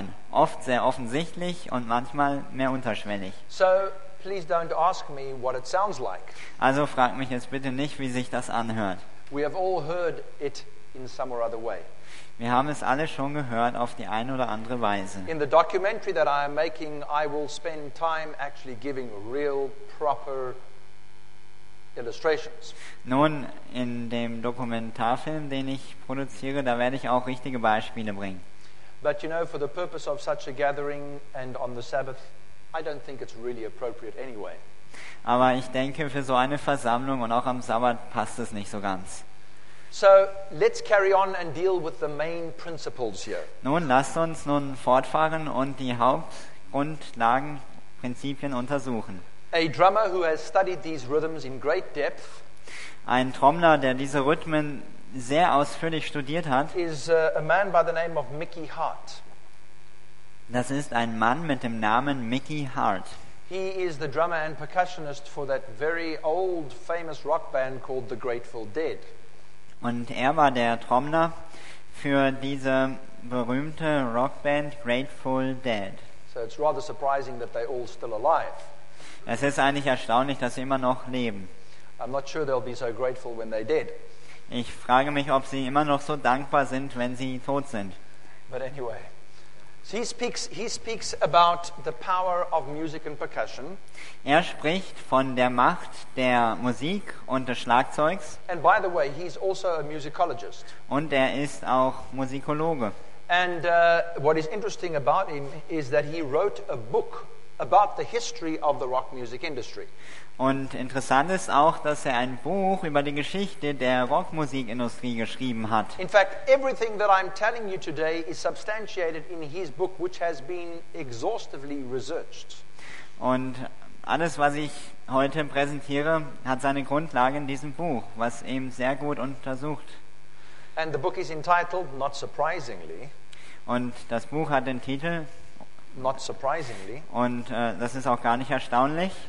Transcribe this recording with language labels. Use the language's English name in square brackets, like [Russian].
[German] Oft sehr offensichtlich und manchmal mehr unterschwellig. [English] So, please don't ask me what it sounds like. [German] Also frag mich jetzt bitte nicht, wie sich das anhört. [English] We have all heard it in some or other way. [German] Wir haben es alle schon gehört auf die eine oder andere Weise. [English] In the documentary that I am making, I will spend time actually giving real proper illustrations. [German] Nun, in dem Dokumentarfilm, den ich produziere, da werde ich auch richtige Beispiele bringen. [English] But you know, for the purpose of such a gathering and on the Sabbath, I don't think it's really appropriate anyway. [German] Aber ich denke, für so eine Versammlung und auch am Sabbat passt es nicht so ganz. [English] So, let's carry on and deal with the main principles here. [German] Nun, lasst uns nun fortfahren und die Hauptgrundlagen, Prinzipien untersuchen. [English] A drummer who has studied these rhythms in great depth. [German] Ein Trommler, der diese Rhythmen sehr ausführlich studiert hat. [English] Is a man by the name of Mickey Hart. [German] Das ist ein Mann mit dem Namen Mickey Hart. [English] He is the drummer and percussionist for that very old famous rock band called The Grateful Dead. [German] Und er war der Trommler für diese berühmte Rockband Grateful Dead. [English] So it's rather surprising that they all still alive. [German] Es ist eigentlich erstaunlich, dass sie immer noch leben. [English] I'm not sure they'll be so grateful when they're dead. [German] Ich frage mich, ob sie immer noch so dankbar sind, wenn sie tot sind. [English] But anyway, so he speaks about the power of music and percussion. [German] Er spricht von der Macht der Musik und des Schlagzeugs. [English] And by the way, he's also a musicologist. [German] Und er ist auch Musikologe. [English] And what is interesting about him is that he wrote a book about the history of the rock music industry. [German] Und interessant ist auch, dass er ein Buch über die Geschichte der Rockmusikindustrie geschrieben hat. [English] In fact, everything that I'm telling you today is substantiated in his book, which has been exhaustively researched. [German] Und alles, was ich heute präsentiere, hat seine Grundlage in diesem Buch, was eben sehr gut untersucht. [English] And the book is entitled, not surprisingly. [German] Und das Buch hat den Titel [English] Not surprisingly. [German] Und das ist auch gar nicht erstaunlich.